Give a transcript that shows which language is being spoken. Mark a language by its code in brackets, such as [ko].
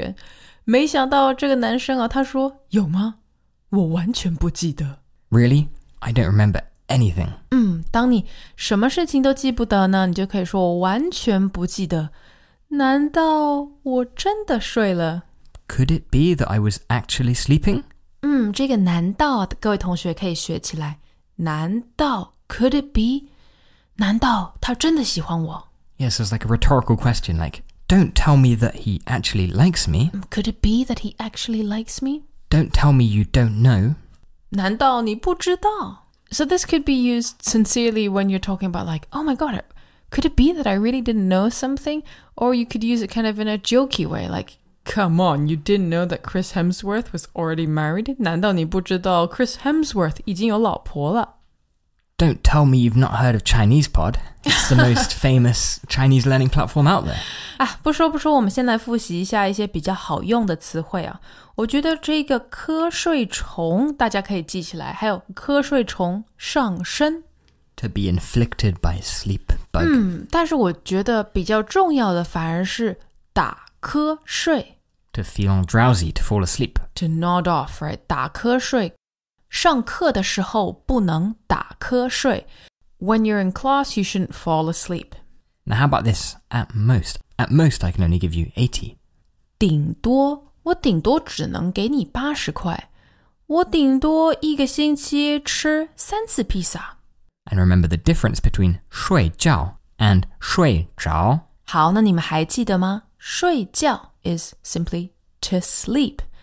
[zh] 她一定是很喜欢这个演员。没想到这个男生啊,他说,有吗? 我完全不记得。 [en] Really? I don't remember anything. [zh] 当你什么事情都记不得呢, 你就可以说我完全不记得。难道我真的睡了? [en] Could it be that I was actually sleeping? [zh] 这个难道, 各位同学可以学起来。难道, [en] could it be? [zh] 难道他真的喜欢我? [en] Yes, it's like a rhetorical question, like, don't tell me that he actually likes me. Could it be that he actually likes me? Don't tell me you don't know. [zh] 难道你不知道? [en] So this could be used sincerely when you're talking about like, oh my god, could it be that I really didn't know something? Or you could use it kind of in a jokey way, like, come on, you didn't know that Chris Hemsworth was already married? [zh] 难道你不知道 Chris Hemsworth 已经有老婆了？ [en] Don't tell me you've not heard of Chinese Pod. It's the most famous Chinese learning platform out there. [zh] 啊，不说不说，我们先来复习一下一些比较好用的词汇啊。我觉得这个瞌睡虫大家可以记起来，还有瞌睡虫上身。 [en] To be inflicted by sleep bug. [zh] 嗯，但是我觉得比较重要的反而是打瞌睡。 [en] To feel drowsy, to fall asleep. To nod off, right? [zh] 打瞌睡。上课的时候不能打瞌睡。 [en] When you're in class, you shouldn't fall asleep. Now how about this? At most, I can only give you 80. [zh] 顶多，我顶多只能给你80块。我顶多一个星期吃三次披萨。 [en] And remember the difference between 睡觉 and 睡着。 [zh] 好，那你们还记得吗？睡觉 [en] is simply to sleep.